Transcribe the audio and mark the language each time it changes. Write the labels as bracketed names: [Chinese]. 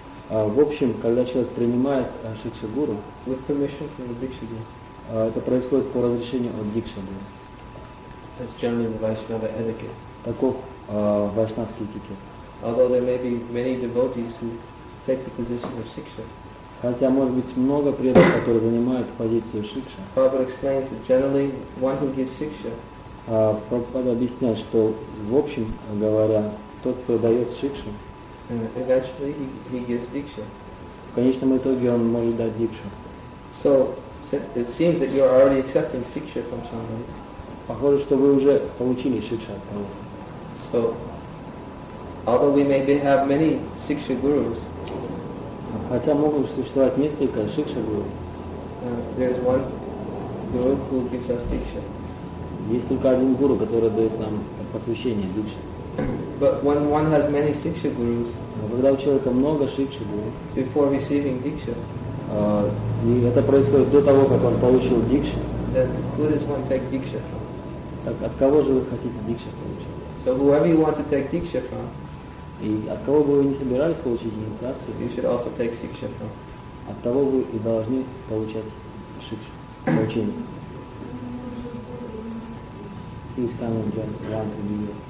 [Russian] В общем, когда человек принимает шикшагуру, [English] with permission from the dikshaguru, [Russian] это происходит по разрешению от дикшагуру. [English] That's generally the Vaishnava etiquette. [Russian] Таков вайшнавский этикет. [English] Although there may be many devotees who take the position of shiksha. [Russian] Хотя может быть много преданных, которые занимают позицию шикша. [English] Prabhupada explains that generally one who gives shiksha. [Russian] Прабхупада объясняет, что в общем говоря, тот, кто дает шикшу, [English] eventually he gives diksha. [Russian] В конечном итоге он может дать дикшу. [English] So it seems that you are already accepting shiksha from someone. [Russian] Похоже, что вы уже получили шикшу от того. [English] So although we may have many shiksha gurus, [Russian] хотя могут существовать несколько шикша гуру, [English] there is one guru who gives us diksha. [Russian] Есть только один гуру, который дает нам посвящение дикшу. [English] But when one has many siksha gurus, [Russian] когда у человека много siksha gurus, [English] before receiving diksha, [Russian] и это происходит до того, как он получил дикшу, [English] then who does one take diksha from? [Russian] Так от кого же вы хотите дикшу получить? [English] So whoever you want to take diksha from, [Russian] и от кого бы вы не собирались получить инициацию, [English] you should also take siksha from. [Russian] От того вы и должны получать siksha, получение. [English] He's coming just once a year.